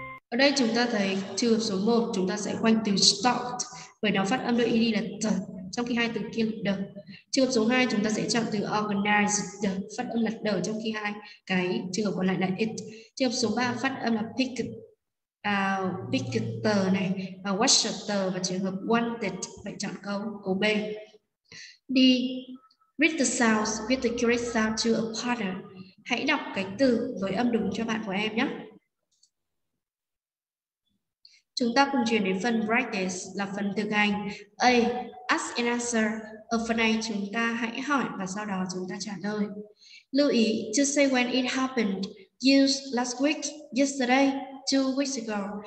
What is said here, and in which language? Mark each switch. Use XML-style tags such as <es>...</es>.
<vi>Ở đây chúng ta thấy trường hợp số 1 chúng ta sẽ khoanh từ stopped bởi nó phát âm đôi ed là t, trong khi hai từ kia là đ. Trường hợp số 2 chúng ta sẽ chọn từ organized phát âm là đ, trong khi hai cái trường hợp còn lại là it. Trường hợp số 3 phát âm là picked. Picketer này, washerter và trường hợp wanted, vậy chọn câu B. D.</vi> <en>Read the sounds with the correct sound to a partner.</en> <vi>Hãy đọc cái từ với âm đúng cho bạn của em nhé. Chúng ta cùng chuyển đến phần practice là phần thực hành. A.</vi> <en>Ask and answer.</en> <vi>Ở phần này chúng ta hãy hỏi và sau đó chúng ta trả lời. Lưu ý,</vi> <en>to say when it happened, use last week, yesterday, 2 weeks ago.</en>